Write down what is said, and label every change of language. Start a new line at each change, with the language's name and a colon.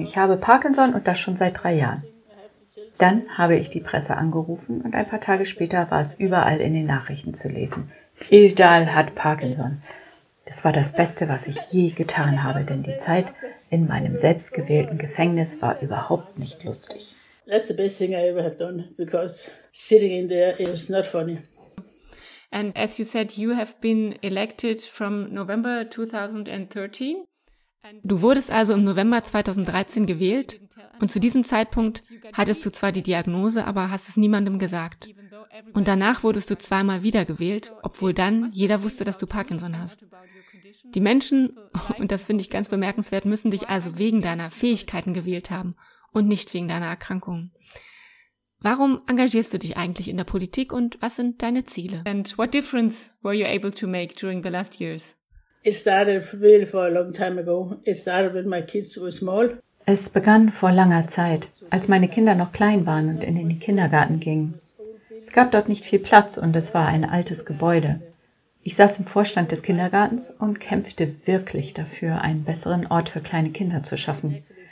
German: Ich habe Parkinson und das schon seit 3 Jahren. Dann habe ich die Presse angerufen und ein paar Tage später war es überall in den Nachrichten zu lesen. Ildal hat Parkinson. Das war das Beste, was ich je getan habe, denn die Zeit in meinem selbstgewählten Gefängnis war überhaupt nicht lustig.
English: That's the best thing I ever have done, because sitting in there is not funny. And as you said, you have been elected from November 2013.
German: Du wurdest also im November 2013 gewählt und zu diesem Zeitpunkt hattest du zwar die Diagnose, aber hast es niemandem gesagt. Und danach wurdest du 2-mal wieder gewählt, obwohl dann jeder wusste, dass du Parkinson hast. Die Menschen, und das finde ich ganz bemerkenswert, müssen dich also wegen deiner Fähigkeiten gewählt haben und nicht wegen deiner Erkrankung. Warum engagierst du dich eigentlich in der Politik und was sind deine Ziele?
English: And what difference were you able to make during the last years? It started really for a long time ago. It started when my kids were small.
German: Es begann vor langer Zeit, als meine Kinder noch klein waren und in den Kindergarten gingen. Es gab dort nicht viel Platz und es war ein altes Gebäude. Ich saß im Vorstand des Kindergartens und kämpfte wirklich dafür, einen besseren Ort für kleine Kinder zu schaffen.